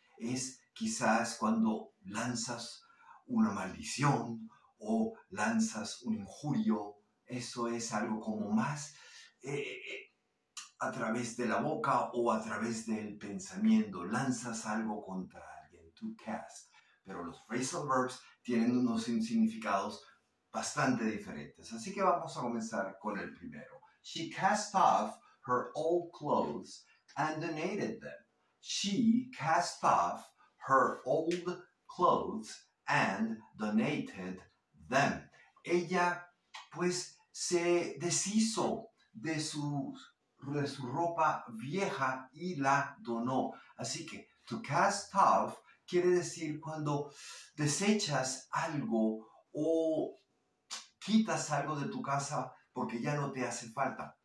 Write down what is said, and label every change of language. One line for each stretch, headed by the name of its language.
Spanish: Es quizás cuando lanzas una maldición o lanzas un injurio, eso es algo como más a través de la boca o a través del pensamiento. Lanzas algo contra alguien, to cast. Pero los phrasal verbs tienen unos significados bastante diferentes. Así que vamos a comenzar con el primero.
English: She cast off her old clothes and donated them. She cast off her old clothes and donated them.
Spanish: Ella, pues, se deshizo de su ropa vieja y la donó. Así que, to cast off quiere decir cuando desechas algo o quitas algo de tu casa porque ya no te hace falta.